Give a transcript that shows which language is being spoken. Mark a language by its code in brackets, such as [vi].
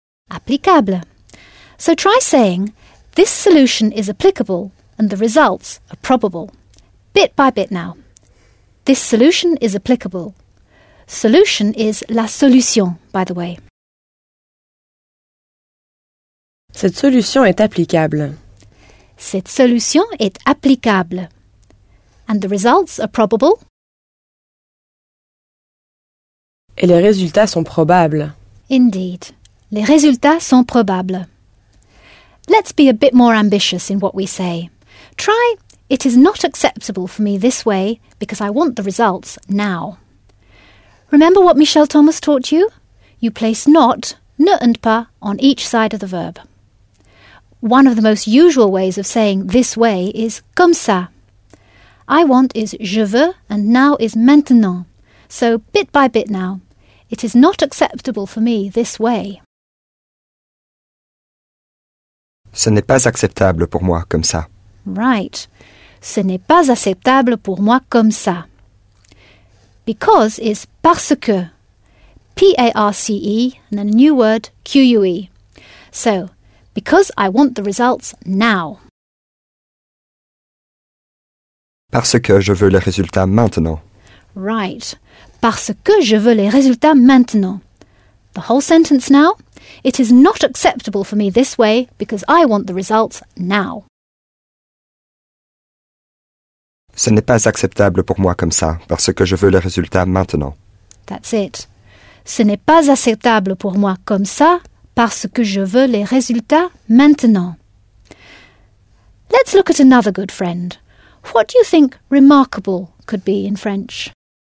[en] Applicable. So try saying, this solution is applicable and the results are probable. Bit by bit now. This solution is applicable. Solution is la solution, by the way. [fr] Cette solution est applicable. Cette solution est applicable. [en] And the results are probable. [fr] Et les résultats sont probables. [en] Indeed. [fr] Les résultats sont probables. [en] Let's be a bit more ambitious in what we say. Try, it is not acceptable for me this way because I want the results now. Remember what Michel Thomas taught you? You place not, ne and pas, on each side of the verb. One of the most usual ways of saying this way is [fr] comme ça. [en] I want is [fr] je veux [en] and now is maintenant. So bit by bit now. It is not acceptable for me this way. [fr] Ce n'est pas acceptable pour moi comme ça. [en] Right. [fr] Ce n'est pas acceptable pour moi comme ça. [en] Because is [fr] parce que. [en] P-A-R-C-E and then a new word, Q-U-E. So, because I want the results now. [fr] Parce que je veux les résultats maintenant. [en] Right. [fr] Parce que je veux les résultats maintenant. [en] The whole sentence now? It is not acceptable for me this way because I want the results now. [fr] Ce n'est pas acceptable pour moi comme ça parce que je veux les résultats maintenant. [en] That's it. [fr] Ce n'est pas acceptable pour moi comme ça parce que je veux les résultats maintenant. [en] Let's look at another good friend. What do you think remarkable could be in French?